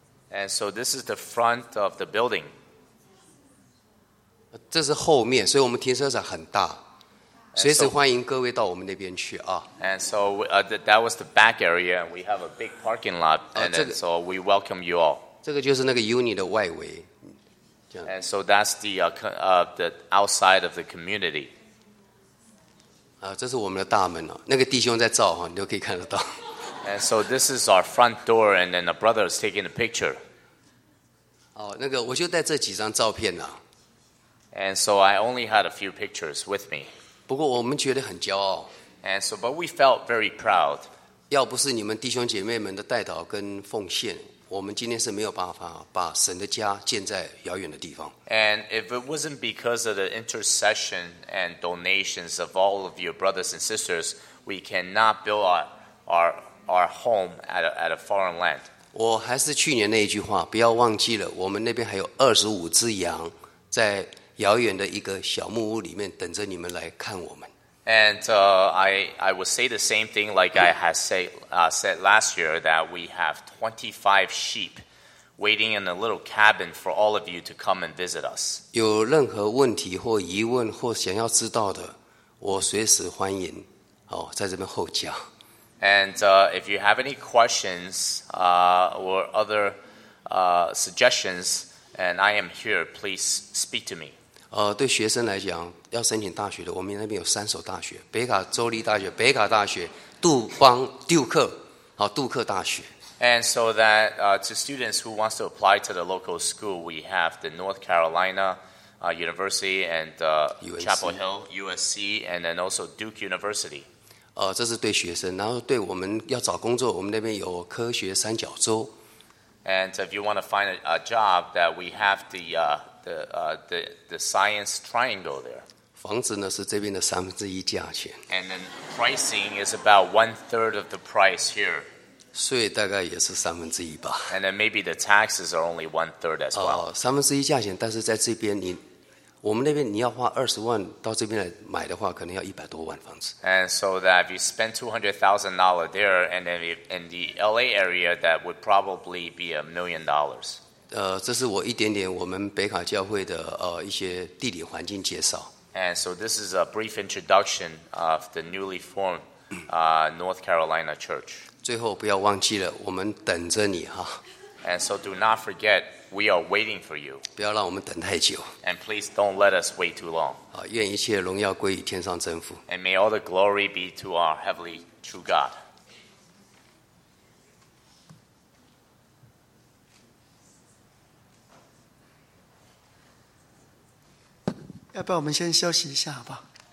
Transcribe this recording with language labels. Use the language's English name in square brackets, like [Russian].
[English] And so this is the front of the building. [Chinese] 这是后面，所以我们停车场很大。随时欢迎各位到我们那边去啊。 [English] And so that was the back area. We have a big parking lot. And then, so we welcome you all. [Chinese] 这个就是那个 uni 的外围。 [English] And so that's the outside of the community. [Chinese] 这是我们的大门啊，那个弟兄在照啊，你都可以看得到。 [English] And so this is our front door, and then the brother is taking a picture. [Chinese] 那个我就带这几张照片啊。 [English] And so I only had a few pictures with me. [Chinese] 不过我们觉得很骄傲。 [English] And so, but we felt very proud. [Chinese] 要不是你们弟兄姐妹们的带祷跟奉献，我们今天是没有办法把神的家建在遥远的地方。 [English] And if it wasn't because of the intercession and donations of all of your brothers and sisters, we cannot build our home at a foreign land. [Chinese] 我还是去年那一句话，不要忘记了，我们那边还有25只羊在。遥远的一个小木屋里面等着你们来看我们。 [English] And I would say the same thing like I had said last year that we have 25 sheep waiting in a little cabin for all of you to come and visit us. [Chinese] 有任何问题或疑问或想要知道的，我随时欢迎，在这边候驾。 [English] And if you have any questions or other suggestions, and I am here, please speak to me. [Chinese] 对学生来讲，要申请大学的，我们那边有三所大学：北卡州立大学、北卡大学、杜邦 Duke 好杜克大学。 [English] And so that to students who wants to apply to the local school, we have the North Carolina University and Chapel Hill USC, and then also Duke University. [Chinese] 这是对学生，然后对我们要找工作，我们那边有科学三角洲。 [English] And if you want to find a job, that we have the science triangle there. [Chinese] 房子呢是这边的三分之一价钱。 [English] And then pricing is about one third of the price here. [Chinese] 税大概也是三分之一吧。 [English] And then maybe the taxes are only one third as well. [Chinese] 三分之一价钱，但是在这边你，我们那边你要花20万到这边来买的话，可能要100多万房子。 [English] And so that if you spend $200,000 there, and then in the LA area, that would probably be $1 million. [Chinese] 这是我一点点我们北卡教会的一些地理环境介绍。 [English] And so this is a brief introduction of the newly formed North Carolina Church. [Chinese] 最后不要忘记了，我们等着你哈。 [English] And so do not forget, we are waiting for you. [Chinese] 不要让我们等太久。 [English] And please don't let us wait too long. [Chinese] 愿一切荣耀归于天上真父。 [English] And may all the glory be to our heavenly true God. [Chinese] 要不要我们先休息一下好不好